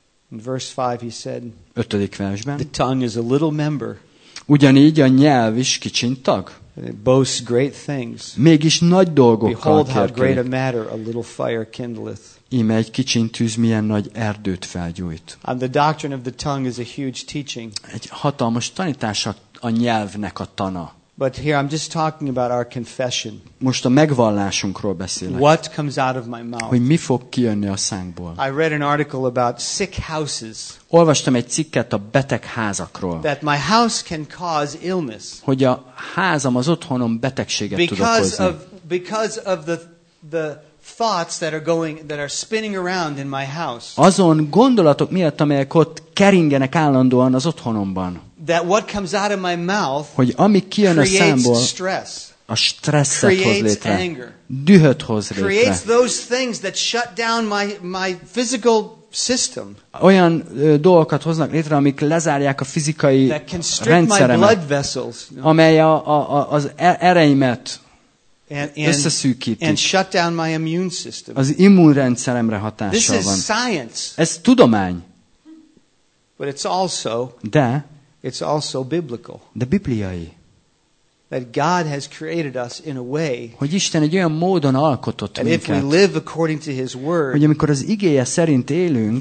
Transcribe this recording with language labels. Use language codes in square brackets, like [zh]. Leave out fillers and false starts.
[en] In verse 5 he said, [hu] ötödik versben, [en] the tongue is a little member. [hu] Ugyanígy a nyelv is kicsin tag. [en] It boasts great things. [hu] Mégis nagy dolgokat kérkedik. [en] Behold how great a matter a little fire kindleth. [hu] Íme egy kicsin tűz milyen nagy erdőt felgyújt. [en] And the doctrine of the tongue is a huge teaching. [hu] Egy hatalmas tanítása a nyelvnek a tana. [en] But here I'm just talking about our confession. [hu] Most a megvallásunkról beszélek. [en] What comes out of my mouth? [hu] Hogy mi fog kijönni a szánkból? [en] I read an article about sick houses. [hu] Olvastam egy cikket a beteg házakról. [en] That my house can cause illness. [hu] Hogy a házam, az otthonom betegséget tud okozni. [en] Because of the thoughts that are spinning around in my house. [hu] Azon gondolatok miatt, amelyek ott keringenek állandóan az otthonomban. [en] That what comes out of my mouth, [hu] hogy ami kijön a számból, [en] stress, [hu] a stresszet hoz létre, [en] anger, [hu] dühöt hoz létre. [en] Creates those things that shut down my physical system. [hu] Olyan dolgokat hoznak létre, amik lezárják a fizikai rendszeremet, [en] my blood vessels, [hu] amely az ereimet összeszűkítik. [en] And shut down my immune system. [hu] Az immunrendszeremre hatással [en] this is [hu] van. [en] Science. [hu] Ez tudomány. [en] But it's also [hu] de [en] it's also biblical. [hu] De bibliai. [en] That God has created us in a way. [hu] Hogy Isten egy olyan módon alkotott minket. [en] If we live according to His word. [hu] Hogy amikor az igéje szerint élünk.